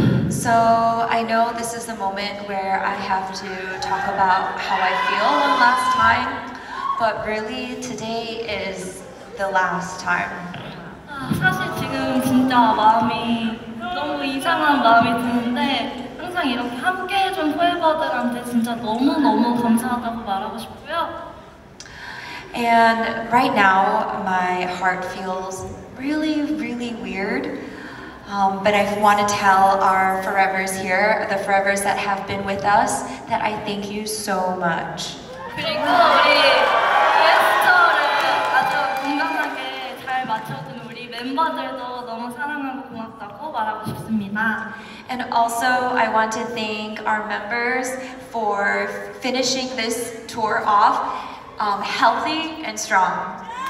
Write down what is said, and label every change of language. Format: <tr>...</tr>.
<en>So I know this is a moment where I have to talk about how I feel one last time, but really today is the last time.</en> <ko>사실 지금 진짜 마음이 너무 이상한 마음이 드는데 항상 이렇게 함께 좀 후회받으라는데 진짜 너무 너무 감사하다고 말하고 싶고요.</ko> <en>And right now my heart feels really really weird. But I want to tell our forevers here, the forevers that have been with us, that I thank you so much.</en> <ko>그리고 우리 게스트를 아주 건강하게 잘 맞춰준 우리 멤버들도 너무 사랑하고 고맙다고 말하고 싶습니다.</ko> <en>And also, I want to thank our members for finishing this tour off healthy and strong.</en>